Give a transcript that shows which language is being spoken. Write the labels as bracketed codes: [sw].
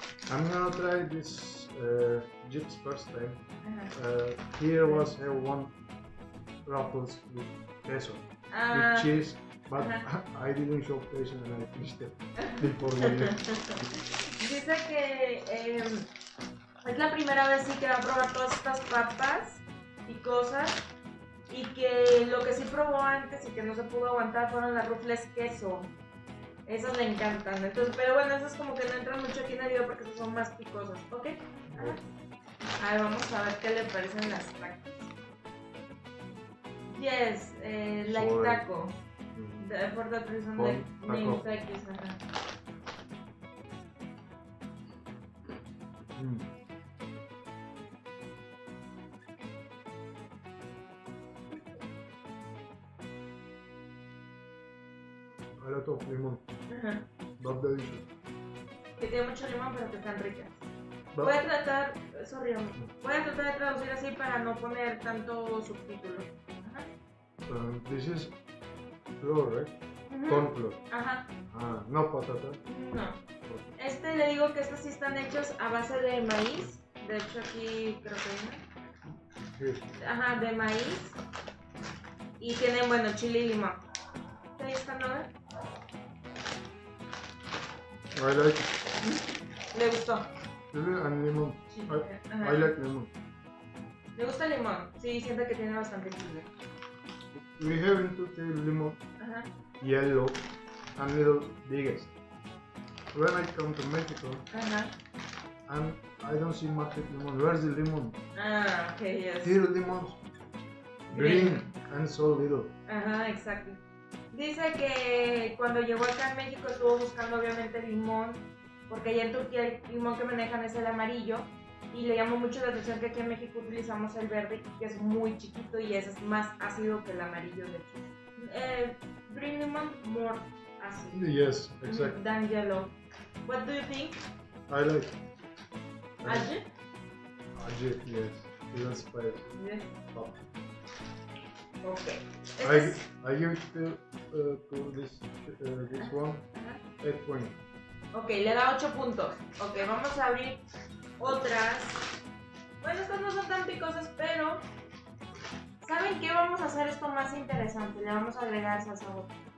[en] I'm gonna try this chips first time. Here was a one ruffles with queso, with cheese. But I didn't show patience and I finished it before we left. [es] Dice que es la primera vez sí que va a probar todas estas papas y cosas y que lo que sí probó antes y que no se pudo aguantar fueron las Ruffles queso. Esas le encantan. Entonces, pero bueno, esas como que no entran mucho aquí en el video porque esas son más picosas. ¿Ok? A ver, vamos a ver qué le parecen las tacos. [en] Yes, like taco. For that reason, like name tacos. A lot of limón. Not delicious. [es] Que tiene mucho limón, pero que están ricas. Voy a tratar, voy a tratar de traducir así para no poner tanto subtítulo. [en] This is flour, right? Corn flour. Ajá. [es] No patata. No. Este le digo que estos sí están hechos a base de maíz, de hecho aquí creo que hay, sí. Ajá, de maíz y tienen, bueno, chile y limón. ¿Te gusta, no? [en] I like. [es] ¿Le gustó? [en] Chile and limón. Chile. I like limón. [es] ¿Le gusta el limón? Sí, siento que tiene bastante chile. [en] We have to take limón, yellow, and little biggest. When I come to Mexico, and I don't see much lemon. Where's the lemon? Ah, okay, yes. Here lemons, green, and so little. Ajá, exactly. [es] Dice que cuando llegó acá a México estuvo buscando obviamente limón, porque allá en Turquía el limón que manejan es el amarillo, y le llamó mucho la atención que aquí en México utilizamos el verde, que es muy chiquito y es más ácido que el amarillo, de hecho. [en] Green lemon, more. Así. Yes, exactly. Than yellow. What do you think? I like Ajit, yes. Even spice. Yes. Top. Okay. I give it to this, this one 8 points. [es] Okay, le da 8 puntos. Okay, vamos a abrir otras. Bueno, estas no son tan picosas, pero ¿saben qué? Vamos a hacer esto más interesante. Le vamos a agregar salsa a otra.